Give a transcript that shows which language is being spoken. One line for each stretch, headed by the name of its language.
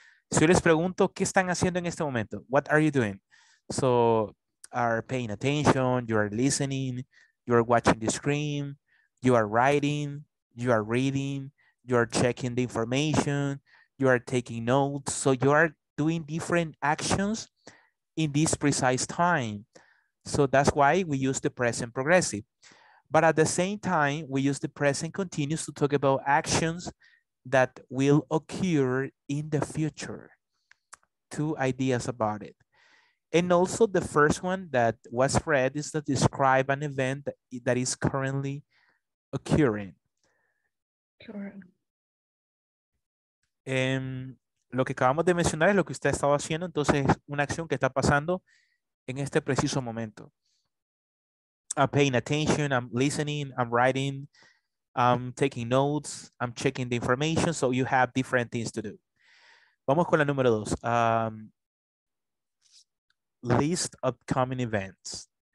Spanish: Si yo les pregunto, ¿qué están haciendo en este momento?
English: What are you doing? So, are paying attention, you are listening, you are watching the screen, you are writing, you are reading, you are checking the information, you are taking notes. So you are doing different actions in this precise time. So that's why we use the present progressive. But at the same time, we use the present continuous to talk about actions that will occur in the future. Two ideas about it. And also the first one that was read is to describe an event that is currently occurring. Sure.
Spanish: Lo que acabamos de mencionar es lo que usted ha estado haciendo, entonces una acción que está pasando en este preciso momento.
English: I'm paying attention, I'm listening, I'm writing, I'm taking notes, I'm checking the information, so you have different things to do.
Spanish: Vamos con la número dos.
English: List upcoming events.